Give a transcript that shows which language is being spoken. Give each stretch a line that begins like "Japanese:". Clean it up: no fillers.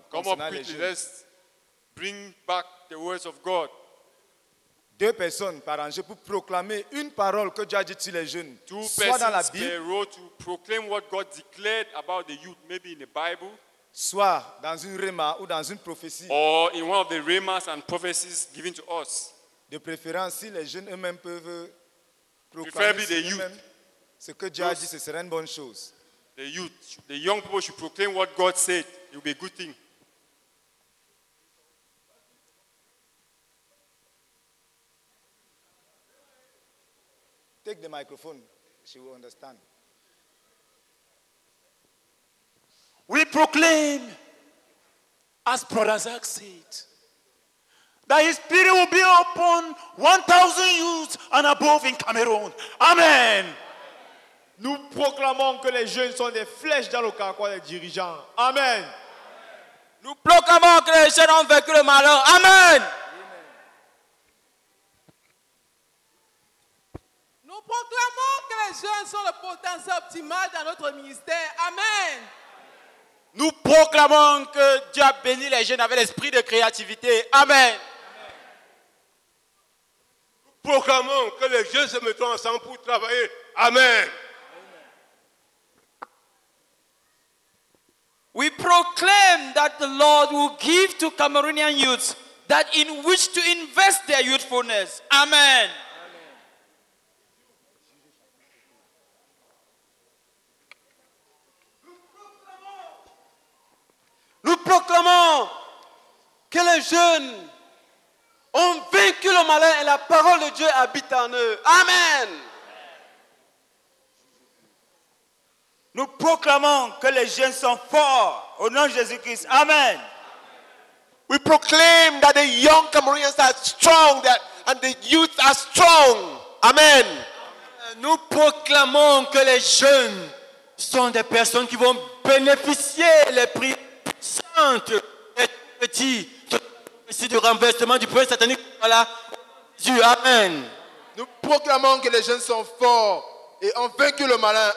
English: Come up quickly, let's bring back the words of God.
French: Deux personnes par an, je peux proclamer une parole que Dieu a dit sur les jeunes.
English: Two persons per row to proclaim what God declared about the youth, maybe in the Bible.
French: Soit dans une réma ou dans une prophétie.
English: Or in one of the remas and prophecies given to us.
French: De préférence, si les jeunes eux-mêmes peuvent proclamer.
English: Preferably the youth.
French: Ce que Dieu a dit, ce serait une bonne chose.
English: The youth, the young people should proclaim what God said. It would be a good thing. Take the microphone, she will understand. We proclaim, as Brother Zach said, that his spirit will be upon 1,000 youths and above in Cameroon. Amen.
French: Nous proclamons que les jeunes sont des flèches dans le carquois des dirigeants. Amen. Nous proclamons que les jeunes ont vaincu le malheur. Amen. Nous proclamons que les jeunes sont le potentiel optimal dans notre ministère. Amen. Nous proclamons que Dieu a béni les jeunes avec l'esprit de créativité. Amen. Nous proclamons que les jeunes se mettront ensemble pour travailler. Amen.
English: We proclaim that the Lord will give to Cameroonian youths that in which to invest their youthfulness. Amen.
French: Nous proclamons que les jeunes ont vaincu le malheur et la parole de Dieu habite en eux. Amen. Nous proclamons que les jeunes sont forts au nom de Jésus-Christ. Amen.
English: We proclaim that the young Cameroonians are strong and the youth are strong. Amen.
French: Nous proclamons que les jeunes sont des personnes qui vont bénéficier les prix. Sainte, petit, bénéficie du renversement du prince satanique. Voilà. Dieu, amen. Nous proclamons que les jeunes sont forts et ont vaincu le malin.